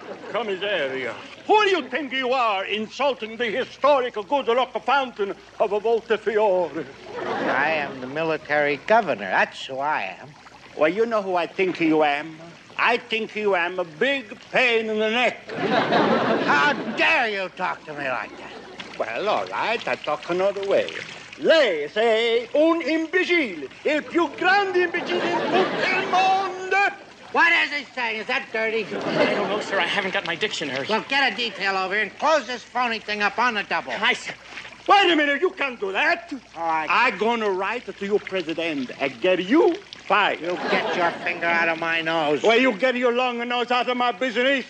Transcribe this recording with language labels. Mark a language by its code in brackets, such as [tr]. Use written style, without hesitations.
[en] Commissario, who do you think you are insulting the historical good luck fountain of Voltafiore? I am the military governor. That's who I am. Well, you know who I think you am? I think you am a big pain in the neck. How dare you talk to me like that? Well, all right, I talk another way. [it] Lei sei un imbecile, il più grande imbecile in tutto il mondo. [en] What is he saying? Is that dirty? I don't know, sir. I haven't got my dictionary. Well, get a detail over here and close this phony thing up on the double. I said, wait a minute. You can't do that. All right. I'm going to write to your president and get you fired. You get your finger out of my nose. Well, you get your long nose out of my business.